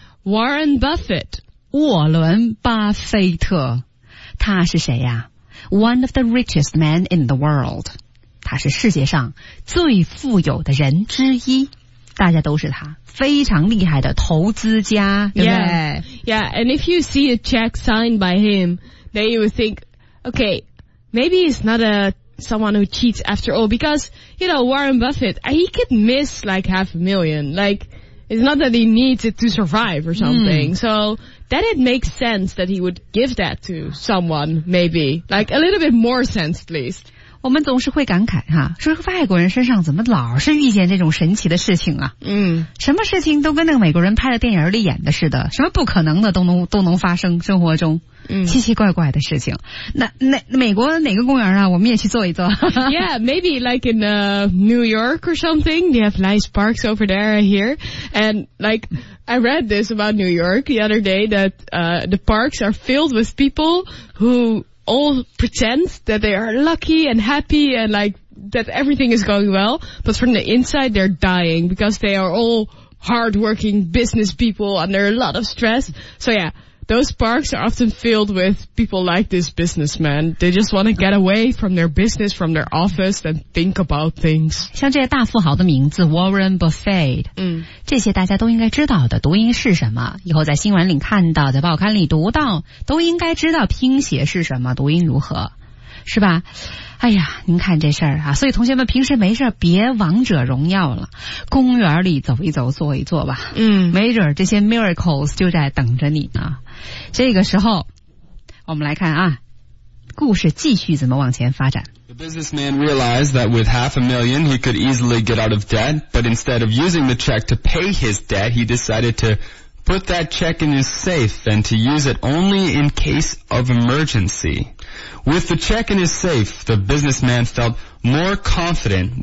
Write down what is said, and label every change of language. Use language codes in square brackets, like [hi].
[en] ?Warren Buffett. [zh] 沃伦巴菲特。他是谁呀 ? [en] One of the richest men in the world. [zh] 他是世界上最富有的人之一。大家都是他非常厉害的投资家，对不对？ [en] Yeah, yeah, and if you see a check signed by him, then you would think, okay, maybe he's not someone who cheats after all, because, you know, Warren Buffett, he could miss like half a million, like, it's not that he needs it to survive or something, so then it makes sense that he would give that to someone, maybe, like a little bit more sense at least. [zh] 我们总是会感慨哈，说外国人身上怎么老是遇见这种神奇的事情啊？嗯，什么事情都跟那个美国人拍的电影里演的似的，什么不可能的都能发生生活中，嗯，奇奇怪怪的事情。那美国哪个公园啊？我们也去坐一坐。 [en] Yeah, maybe like in New York or something. They have nice parks over there here. And like I read this about New York the other day that the parks are filled with people who. All pretend that they are lucky and happy and like that everything is going well, but from the inside they're dying because they are all hardworking business people under a lot of stress. So yeah, those parks are often filled with people like this businessman. They just want to get away from their business, from their office and think about things. [zh] 像这些大富豪的名字 Warren Buffett, 嗯，这些大家都应该知道的读音是什么，以后在新闻里看到，在报刊里读到，都应该知道拼写是什么，读音如何，是吧？哎呀，您看这事儿啊，所以同学们平时没事别王者荣耀了，公园里走一走，坐一坐吧。嗯，没准这些 miracles 就在等着你呢。这个时候，我们来看啊，故事继续怎么往前发展。 [en] The The businessman realized that with half a million, he could easily get out of debt, but instead of using the check to pay his debt, he decided to put that check in his safe and to use it only in case of emergency. With the check in his safe, the businessman felt more confident.